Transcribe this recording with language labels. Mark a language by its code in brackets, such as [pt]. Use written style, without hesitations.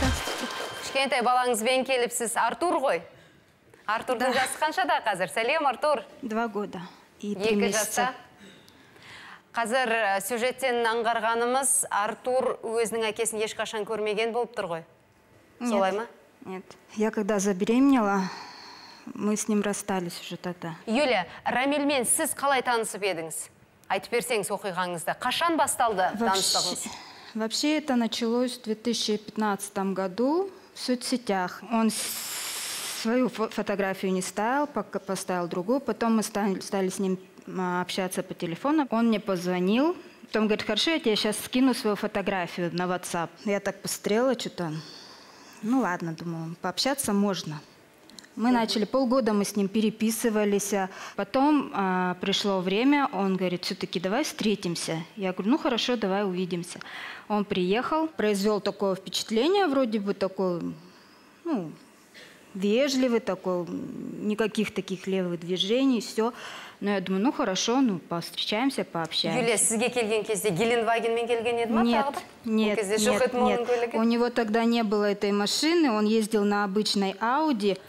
[kk] Кішкентай балаңызбен келіпсіз. Артур ғой. Артурдың жасы қаншада қазір? Сәлем, Артур. [ru] 2 года. [kk] 2 жаста. Қазір сюжеттен аңғарғанымыз, Артур өзінің әкесін ешқашан көрмеген болып тұр ғой. Солай ма? [ru] Нет. Я когда забеременела, мы с ним расстались уже тогда. [kk] Юлия, Рамильмен сіз қалай танысып едіңіз? Айтып берсеңіз оқиғаңызды. Қашан басталды таныстығыңыз? [ru] Вообще это началось в 2015 году в соцсетях. Он свою фотографию не ставил, пока поставил другую. Потом мы стали с ним общаться по телефону. Он мне позвонил. Потом говорит, хорошо, я тебе сейчас скину свою фотографию на WhatsApp. Я так пострела что-то. Ну ладно, думаю, пообщаться можно. Мы начали, полгода мы с ним переписывались. Потом пришло время, он говорит, все-таки давай встретимся. Я говорю, ну хорошо, давай увидимся. Он приехал, произвел такое впечатление, вроде бы такой, ну, вежливый такой, никаких таких левых движений, все. Но я думаю, ну хорошо, ну повстречаемся, пообщаемся. [kk] Юлия, сізге келген кезде Геленваген мен келген еді ма? [ru] Нет. У него тогда не было этой машины, он ездил на обычной Ауди.